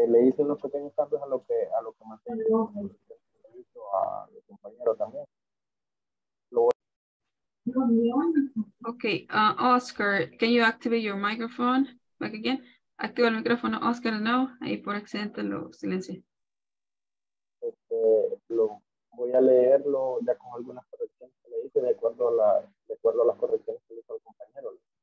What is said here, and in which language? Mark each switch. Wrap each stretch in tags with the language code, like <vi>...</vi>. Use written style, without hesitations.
<es>Le hice unos pequeños cambios a lo que mandé a mi compañero también.</es> <en>Okay, Oscar, can you activate your microphone back again?</en> <es>Activa el micrófono, Oscar, no, ahí por accidente lo silencio. Lo voy a leerlo ya con algunas correcciones que le hice de acuerdo a las correcciones que le hizo el compañero.</es>